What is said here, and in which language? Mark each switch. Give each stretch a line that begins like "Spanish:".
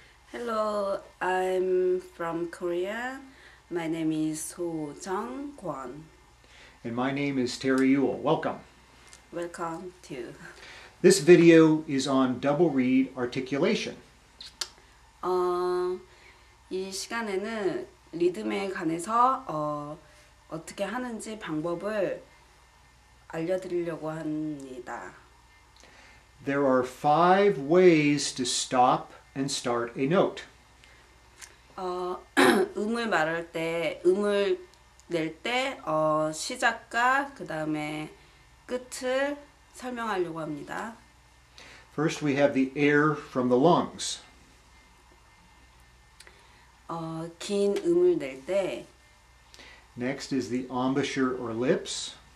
English: Hello, I'm from Korea. My name is Ho Jung Kwon. And my name is Terry Yule. Welcome. Welcome to. This video is on double reed articulation.
Korean: 이 시간에는 리듬에 관해서 어떻게 하는지 방법을 알려드리려고 합니다.
English: There are five ways to stop and start a note.
Korean: 음을 말할 때, 음을 낼 때, 시작과 그 다음에 끝을 설명하려고 합니다.
English: First, we have the air from the lungs.
Korean: 긴 음을 낼 때.
English: Next is the embouchure or lips.